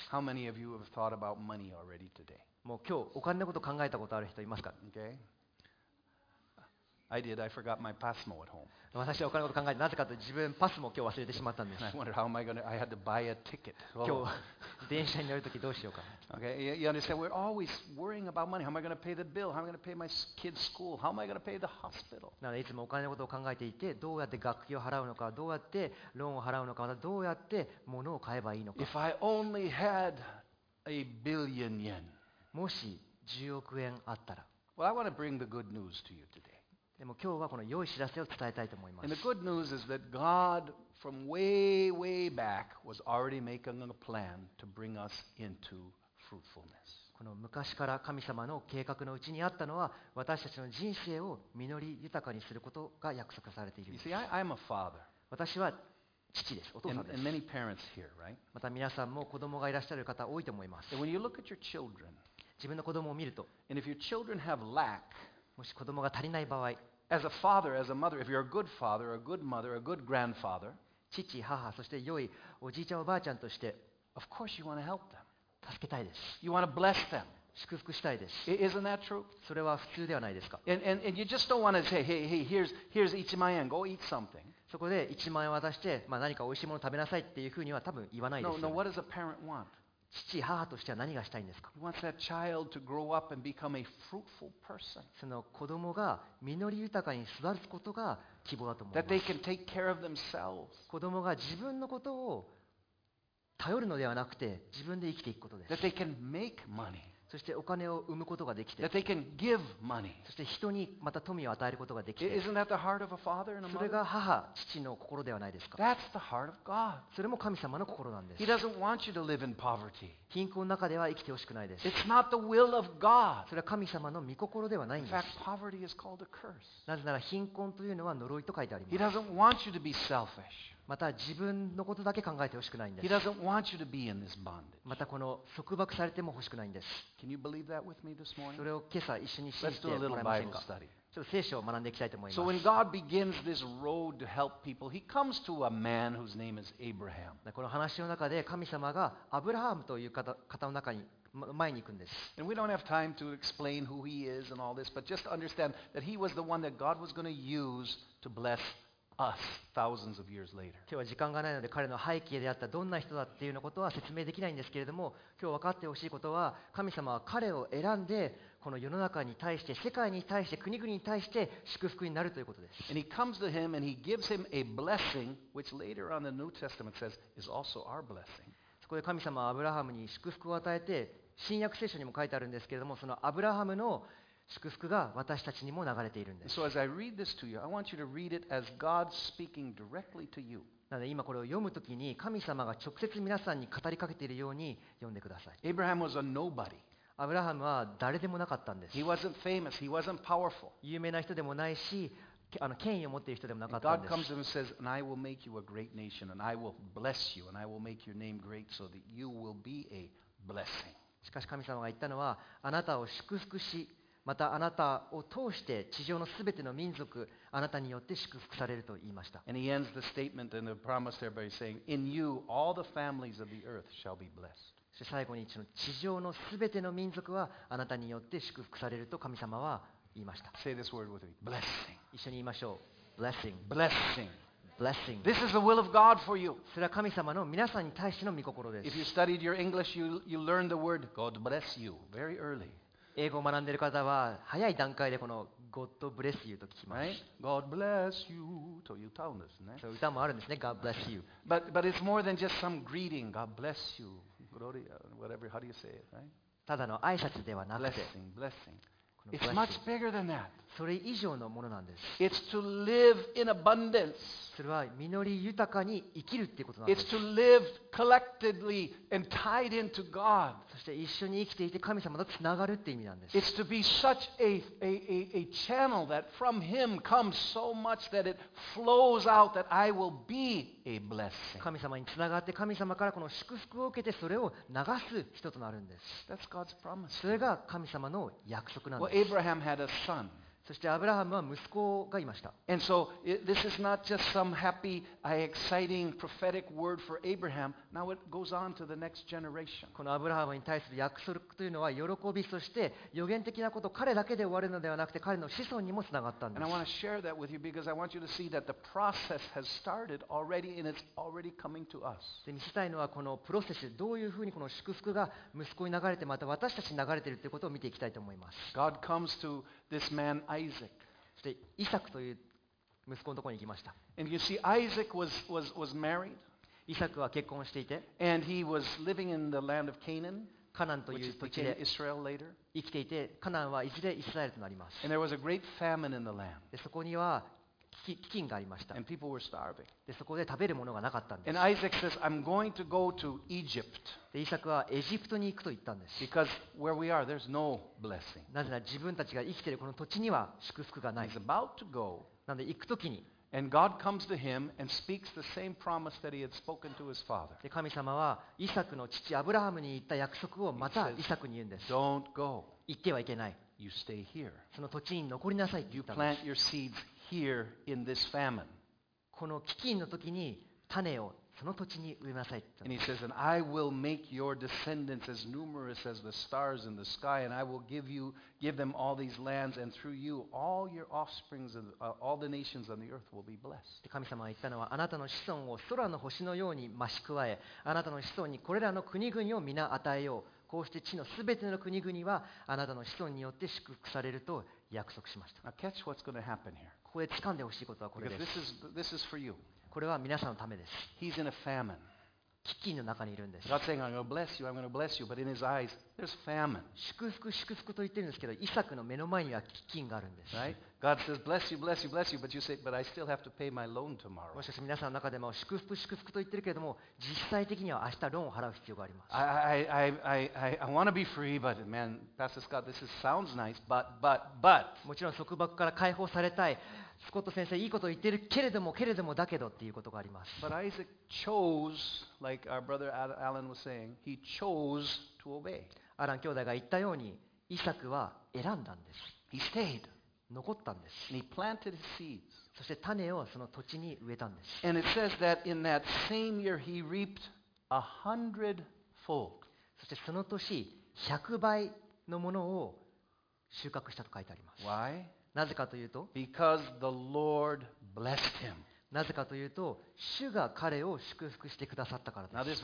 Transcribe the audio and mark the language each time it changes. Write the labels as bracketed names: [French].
[Japanese] もう今日お金のことを考えたことある人いますか？ [English] I did. I forgot my PASMO at home. [Japanese] 私はお金のことを考えて、なぜかというと自分PASMO を今日忘れてしまったんです。 [English] I wondered how am I going to. I had to buy a ticket. [Japanese] 今日電車に乗るときどうしようか。 [English] Okay, you understand? We're always worrying about money. How am I going to pay the bill? How am I going to pay my kid's school? How am I going to pay the hospital? [Japanese] なのでいつもお金のことを考えていて、どうやって学費を払うのか、どうやってローンを払うのか、またどうやって物を買えばいいのか。 [English] If I only had a billion yen. [Japanese] もし10億円あったら。 [English] Well, I want to bring the good news to you today. [Japanese] でも今日はこの良い知らせを伝えたいと思います。 [English] And the good news is that God from way, way back was already making a plan to bring us into fruitfulness. [Japanese] この昔から神様の計画のうちにあったのは私たちの人生を実り豊かにすることが約束されているんです。 [English] You see, I'm a father. [Japanese] 私は父です。お父さんです。 [English] And many parents here, right? [Japanese] また皆さんも子供がいらっしゃる方多いと思います。 [English] And when you look at your children, [Japanese] 自分の子供を見ると、 [English] And if your children have lack, [Japanese] もし子供が足りない場合、 [English] as a father, as a mother, if you're a good father, a good mother, a good grandfather, [Japanese] 父、母、そして良いおじいちゃん、おばあちゃんとして、 [English] of course you want to help them. [Japanese] 助けたいです。 [English] You want to bless them. [Japanese] 祝福したいです。 [English] Isn't that true? [Japanese] それは普通ではないですか。 [English] And you just don't want to say, hey, hey, here's 1万円, go eat something. [Japanese] そこで1万円渡して、まあ、何か美味しいものを食べなさいっていうふうには多分言わないですよ、ね。 [English] No, what does a parent want? [Japanese] 父母としては何がしたいんですか？ [English] He wants that child to grow up and become a fruitful person. [Japanese] その子供が実り豊かに育つことが希望だと思います。 [English] That they can take care of themselves. [Japanese] 子供が自分のことを頼るのではなくて自分で生きていくことです。 [English] That they can make money. [Japanese] そしてお金を生むことができて。 [English] That they can give money. [Japanese] そして人にまた富を与えることができて。 [English] Isn't that the heart of a father and a mother? [Japanese] それが母、父の心ではないですか？ [English] That's the heart of God. [Japanese] それも神様の心なんです。 [English] He doesn't want you to live in poverty. [Japanese] 貧困の中では生きてほしくないです。 [English] It's not the will of God. [Japanese] それは神様の御心ではないんです。 [English] In fact, poverty is called a curse. [Japanese] なぜなら貧困というのは呪いと書いてあります。 [English] He doesn't want you to be selfish. [Japanese] また自分のことだけ考えてほしくないんです。 [English] He doesn't want you to be in this bondage. [Japanese] またこの束縛されてもほしくないんです。 [English] Can you believe that with me this morning? [Japanese] それを今朝一緒に信じてもらえませんか？ [English] Let's do a little Bible study. [Japanese] ちょっと聖書を学んでいきたいと思います。 [English] So when God begins this road to help people, He comes to a man whose name is Abraham. [Japanese] この話の中で神様がアブラハムという方の中に前に行くんです。 [English] And we don't have time to explain who he is and all this, but just understand that he was the one that God was going to use to bless. Us, thousands of years later. [Japanese] 今日は時間がないので彼の背景であったどんな人だっていうのことは説明できないんですけれども、今日分かってほしいことは神様は彼を選んでこの世の中に対して世界に対して国々に対して祝福になるということです。 [English] And he comes to him and he gives him a blessing which later on the New Testament says is also our blessing. [Japanese] そこで神様はアブラハムに祝福を与えて、新約聖書にも書いてあるんですけれども、そのアブラハムの祝福が私たちにも流れているんです。 [English] So as I read this to you, I want you to read it as God speaking directly to you. [Japanese] なので今これを読むときに神様が直接皆さんに語りかけているように読んでください。 [English] Abraham was a nobody. [Japanese] アブラハムは誰でもなかったんです。 [English] He wasn't famous. He wasn't powerful. [Japanese] 有名な人でもないし、権威を持っている人でもなかったんです。 [English] And God comes to him and says, "And I will make you a great nation, and I will bless you, and I will make your name great, so that you will be a blessing." [Japanese] しかし神様が言ったのは、あなたを祝福し、またあなたを通して地上のすべての民族、あなたによって祝福されると言いました。 [English] And he ends the statement and the promise there by saying, "In you, all the families of the earth shall be blessed." [Japanese] そして最後に、地上のすべての民族はあなたによって祝福されると神様は言いました。 [English] Say this word with me. Blessing. [Japanese] 一緒に言いましょう。 [English] Blessing. Blessing. Blessing. This is the will of God for you. [Japanese] それは神様の皆さんに対しての御心です。 [English] If you studied your English, you learned the word "God bless you" very early. [Japanese] 英語を学んでいる方は早い段階でこの [English] God bless you [Japanese] と聞きます。 [English] Right? God bless you [Japanese] という歌うんですね。そう歌もあるんですね。 [English] God bless you. But it's more than just some greeting. God bless you, Gloria, whatever. How do you say it? Right? [Japanese] ただの挨拶ではなくて、 [English] blessing, blessing. It's much bigger than that. [Japanese] それ以上のものなんです。 [English] It's to live in abundance. [Japanese] それは実り豊かに生きるっていうことなんです。 [English] It's to live collectively and tied into God. [Japanese] そして一緒に生きていて神様とつながるって意味なんです。 [English] It's to be such a channel that from Him comes so much that it flows out that I will be a blessing. [Japanese] 神様につながって神様からこの祝福を受けてそれを流す人となるんです。 [English] That's God's promise. [Japanese] それが神様の約束なんです。 [English] Well, Abraham had a son. [Japanese] そしてアブラハムは息子がいました。 [English] And so this is not just some happy, exciting, prophetic word for Abraham. Now it goes on to the next generation. [Japanese] このアブラハムに対する約束というのは喜び、そして予言的なこと、彼だけで終わるのではなくて彼の子孫にもつながったんです。 [English] And I want to share that with you because I want you to see that the process has started already and it's already coming to us. [Japanese] 見せたいのはこのプロセス、どういうふうにこの祝福が息子に流れて、また私たちに流れているということを見ていきたいと思います。 [English] God comes to this man. Isaac. [Japanese] そしてイサクという息子のところに行きました。 [English] And you see, Isaac was married. [Japanese] イサクは結婚していて、 [English] and he was living in the land of Canaan, [Japanese] カナンという土地で生きていて、カナンはいずれイスラエルとなります。 [English] And there was a great famine in the land. [Japanese] でそこには飢饉がありました。 [English] And people were starving. [Japanese] でそこで食べるものがなかったんです。 [English] And Isaac says, I'm going to go to Egypt. [Japanese] でイサクはエジプトに行くと言ったんです。 [English] Because where we are, there's no blessing. [Japanese] なぜなら自分たちが生きているこの土地には祝福がない。 [English] He's about to go. [Japanese] なので行くときに。 [English] And God comes to him and speaks the same promise that he had spoken to his father. [Japanese] で神様はイサクの父アブラハムに言った約束をまたイサクに言うんです。 [English] Don't go. [Japanese] 行ってはいけない。 [English] You stay here. [Japanese] その土地に残りなさいって言ったんです。 [English] You plant your seeds. Here in this famine. [Japanese] この飢饉の時に種をその土地に植えなさいって。 [English] And he says, and I will make your descendants as numerous as the stars in the sky, and I will give them all these lands, and through you, all your offsprings and all the nations on the earth will be blessed. [Japanese] 神様が言ったのは、あなたの子孫を空の星のように増し加え、あなたの子孫にこれらの国々を皆与えよう。こうして地のすべての国々はあなたの子孫によって祝福されると約束しました。 [English] Now catch what's going to happen here. [Japanese] ここで掴んでほしいことはこれです。 [English] This is for you. [Japanese] これは皆さんのためです。 [English] He's in a famine. [Japanese] 飢饉の中にいるんです。 [English] God saying, I'm going to bless you, I'm going to bless you, but in his eyes, there's famine. [Japanese] 祝福、祝福と言ってるんですけど、イサクの目の前には飢饉があるんです。 [English] Right? God says, bless you, bless you, bless you, but you say, but I still have to pay my loan tomorrow. [Japanese] もしかして皆さんの中でも祝福、祝福と言ってるけれども、実際的には明日ローンを払う必要があります。 [English] I want to be free, but man, Pastor Scott, this is, sounds nice, but. [Japanese] もちろん束縛から解放されたい。スコット先生いいこと言ってるけれども、けれどもだけどっていうことがあります。 [English] But Isaac chose, like our brother Alan was saying, he chose to obey. [Japanese] アラン兄弟が言ったようにイサクは選んだんです。 [English] He stayed. [Japanese] 残ったんです。 [English] And he planted his seeds. [Japanese] そして種をその土地に植えたんです。 [English] And it says that in that same year he reaped 100-fold. [Japanese] そしてその年100倍のものを収穫したと書いてあります。 [English] Why? [Japanese] なぜかというと、 [English] Because the Lord blessed him. [Japanese] なぜかというと、主が彼を祝福してくださったからです。